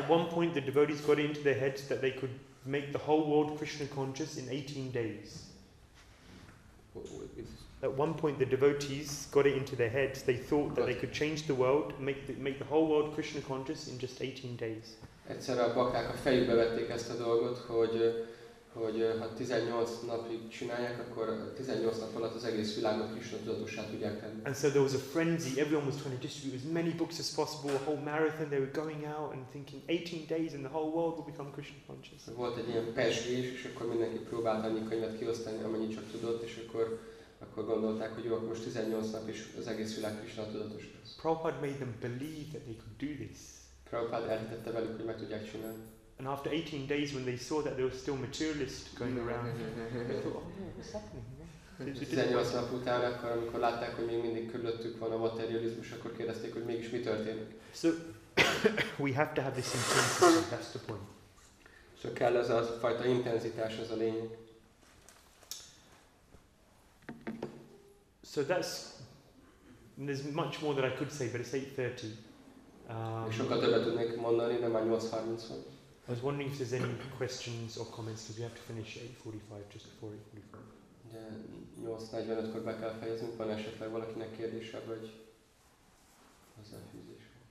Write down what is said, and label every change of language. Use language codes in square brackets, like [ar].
[en] At one point the devotees got into their heads that they could make the whole world Krishna conscious in 18 days. At one point the devotees got it into their heads, they thought that they could change the world, make the whole world Krishna conscious in just 18 days. [hu] Egyszerre a bakták a fejükbe vették ezt a dolgot, hogy ha 18 napig csinálják, akkor 18 nap alatt az egész világot Krishna tudatossá tudják tenni. [en] And so there was a frenzy, everyone was trying to distribute as many books as possible, a whole marathon, they were going out and thinking 18 days and the whole world will become Krishna conscious. [hu] Volt egy ilyen pezsgés, és akkor mindenki próbált annyi könyvet kiosztani, amennyit csak tudott, és akkor gondolták, hogy jó, akkor most 18 nap is az egész világ Krishna tudatos lesz. [en] Prabhupada made them believe that they could do this. [hu] Prabhupada elhitette velük, hogy meg tudják csinálni. [en] And after 18 days, when they saw that there were still materialists going around, they thought, oh, what's happening? [hu] 18 nap után, akkor, amikor látták, hogy még mindig körülöttük van a materializmus, akkor kérdezték, hogy mégis mi történik. [en] So, we have to have this intensity, that's the point. [hu] So, kell ez a fajta intenzitás, ez a lényeg. [en] So, that's, there's much more that I could say, but it's 8:30. [hu] Sokkal többet tudnék mondani, de már 8:30 van. [en] I was wondering if there's any questions or comments because we have to finish 8:45, just before 8:45. [hu] De 8:45-kor be kell fejeznünk, van esetleg valakinek kérdése, vagy hozzáfűzés.